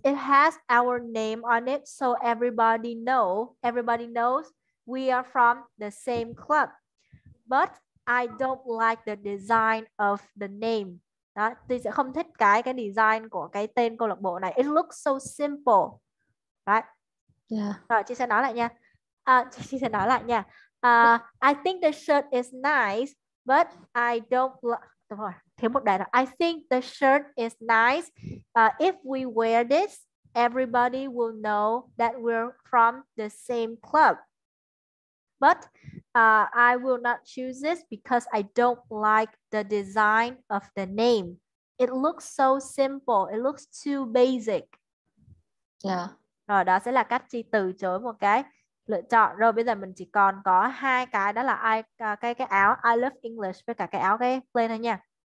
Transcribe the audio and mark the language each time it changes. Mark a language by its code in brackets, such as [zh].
[en] It has our name on it, so everybody knows we are from the same club. But I don't like the design of the name. [vi] Đó, tôi sẽ không thích cái design của cái tên câu lạc bộ này. [en] It looks so simple. Right? Yeah. [vi] Rồi, chị sẽ nói lại nha. Chị sẽ nói lại nha. [en] I think the shirt is nice, but I don't like... [vi] Thiếu một đoạn. [en] I think the shirt is nice. If we wear this, everybody will know that we're from the same club. But I will not choose this because I don't like the design of the name. It looks so simple. It looks too basic. Yeah. [vi] Rồi đó sẽ là cách chị từ chối một cái lựa chọn. Rồi bây giờ mình chỉ còn có hai cái, đó là cái áo I love English với cả cái áo cái plain thôi nha.